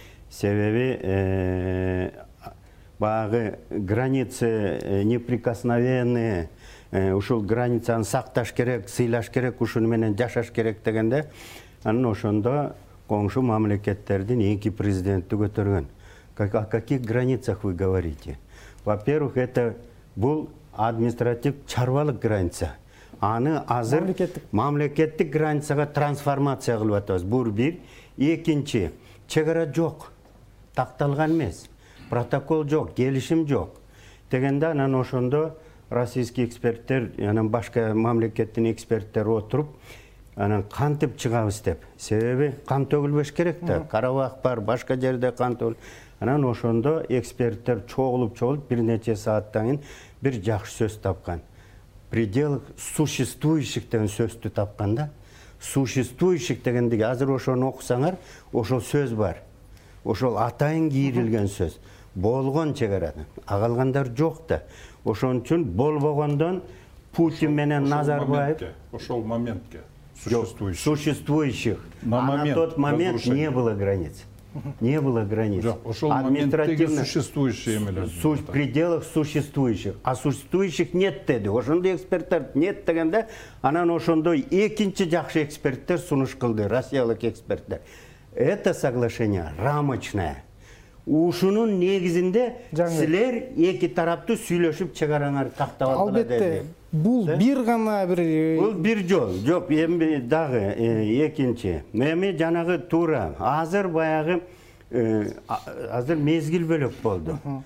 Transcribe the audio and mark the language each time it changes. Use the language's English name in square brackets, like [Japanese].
[Kyrgyz] Себеби баягы [Russian] границы неприкосновенные, [Kyrgyz] ушул границаны сакташ керек, сыйлаш керек, ушуну менен жашаш керек дегенде, анын ошондо коңшу мамлекеттердин эки президенти көтөргөн. [Russian] О каких границах вы говорите? Во-первых, это [Kyrgyz] бул административ чарбалык [Russian] граница. [Kyrgyz] Аны азыр мамлекеттик границага трансформация кылып атабыз. Бул бир. Экинчи, чек ара жок. Такталган эмес. Протокол жок, келишим жок. Дегенде анан ошондо российский эксперттер, анан башка мамлекеттин эксперттери отуруп, анан кантип чыгабыз деп. Себеби кан төгүлбөш керек да. Карабах бар, башка жерде кан төгүл. Анан ошондо эксперттер чогулуп-чогулуп бир нече сааттан кийин бир жакшы сөз тапкан. [Russian] Предел существующих [Kyrgyz] деген сөздү тапканда, существующих дегендеги азыр ошону окусаңар, ошол сөз бар. Ошол атайын кийрилген сөз. Болгон чек арада. А калгандар жок да. Ошон үчүн болбогондон Путин менен Назарбаев ошол моментке существующих. [Russian] Существующих. На тот момент не было границ. Не было границ. [Kyrgyz] Ошол моменттеги существующие эмеле. [Russian] В пределах существующих. А существующих нет деди. [Kyrgyz] Ошондо эксперттер нет дегенде, анан ошондо экинчи жакшы эксперттер сунуш кылды, россиялык эксперттер. [Russian] Это соглашение рамочное. [Kyrgyz] Ушунун негизинде силер эки тараптуу сүйлөшүп чыгарыңар тактабадылар деди. Албетте, бул бир гана бир. Бул бир жол. Жок, эми дагы экинчи. Эми жанагы туура азыр баягы азыр мезгил бөлөк болду.